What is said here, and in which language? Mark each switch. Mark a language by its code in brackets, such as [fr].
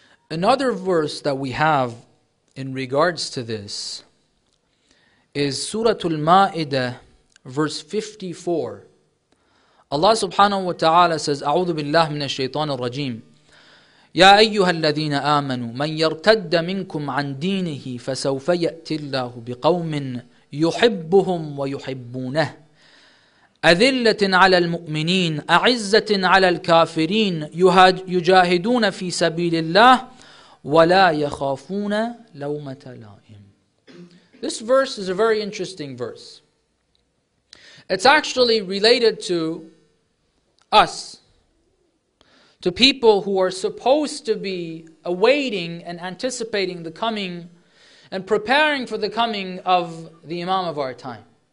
[en] Another verse that we have in regards to this is Surah Al-Ma'idah, verse 54. Allah subhanahu wa ta'ala says, [ar] أعوذ بالله من الشيطان الرجيم يا أيها الذين آمنوا من يرتد منكم عن دينه فسوف يأتي الله بقوم يحبهم ويحبونه أذلة على المؤمنين أعزة على الكافرين يجاهدون في سبيل الله ولا يخافون لومة لائم. [en] This verse is a very interesting verse. It's actually related to us, to people who are supposed to be awaiting and anticipating the coming and preparing for the coming of the Imam of our time.